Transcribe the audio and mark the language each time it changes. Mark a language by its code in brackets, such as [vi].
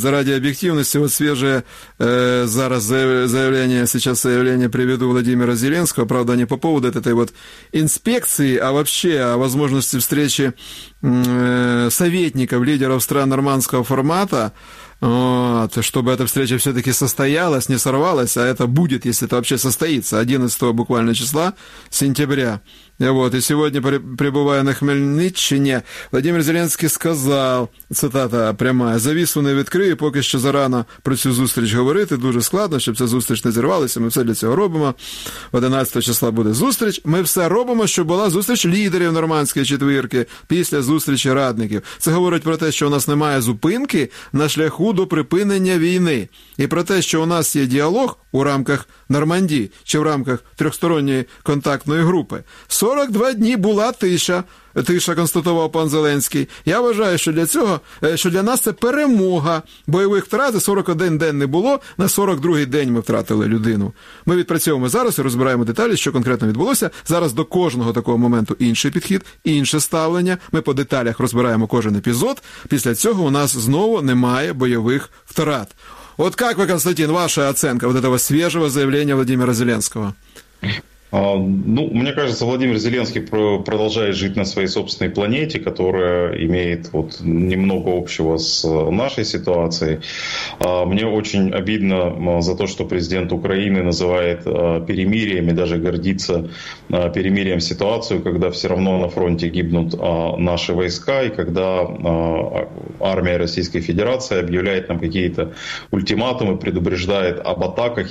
[ru] Заради объективности, вот свежее заявление приведу Владимира Зеленского, правда, не по поводу этой вот инспекции, а вообще о возможности встречи советников, лидеров стран нормандского формата. Вот, чтобы эта встреча все-таки состоялась, не сорвалась, а это будет, если это вообще состоится, 11 буквально числа сентября. И вот, и сегодня, пребывая на Хмельниччине, Владимир Зеленский сказал, цитата прямая: [uk] «Завісу не відкрию, поки що зарано про цю зустріч говорити, дуже складно, щоб ця зустріч не зірвалася, ми все для цього робимо, 11 числа буде зустріч, ми все робимо, щоб була зустріч лідерів нормандської четвірки після зустрічі радників. Це говорить про те, що у нас немає зупинки на шляху до припинення війни, і про те, що у нас є діалог у рамках Нормандії чи в рамках трьохсторонньої контактної групи. 42 дні була тиша, констатував пан Зеленський. Я вважаю, що для нас це перемога. Бойових втрат 41 день не було, на 42-й день ми втратили людину. Ми відпрацьовуємо зараз і розбираємо деталі, що конкретно відбулося. Зараз до кожного такого моменту інший підхід, інше ставлення. Ми по деталях розбираємо кожен епізод. Після цього у нас знову немає бойових втрат». [ru] Вот как вы, Константин, ваша оценка вот этого свежего заявления Владимира Зеленского? Ну, мне кажется, Владимир Зеленский продолжает жить на своей собственной планете, которая имеет вот немного общего с нашей ситуацией. Мне очень обидно за то, что президент Украины называет перемирием и даже гордится перемирием ситуацию, когда все равно на фронте гибнут наши войска, и когда армия Российской Федерации объявляет нам какие-то ультиматумы, предупреждает об атаках.